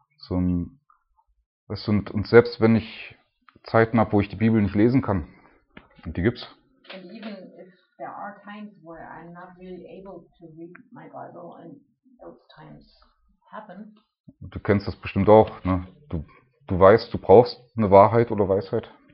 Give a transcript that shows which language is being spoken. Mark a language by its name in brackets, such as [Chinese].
[German] Und selbst wenn ich Zeiten habe, wo ich die Bibel nicht lesen kann, und die gibt's. [English] And even if there are times where I'm not really able to read my Bible, and those times happen. [German] Du kennst das bestimmt auch, ne? Du weißt, du brauchst eine Wahrheit oder Weisheit.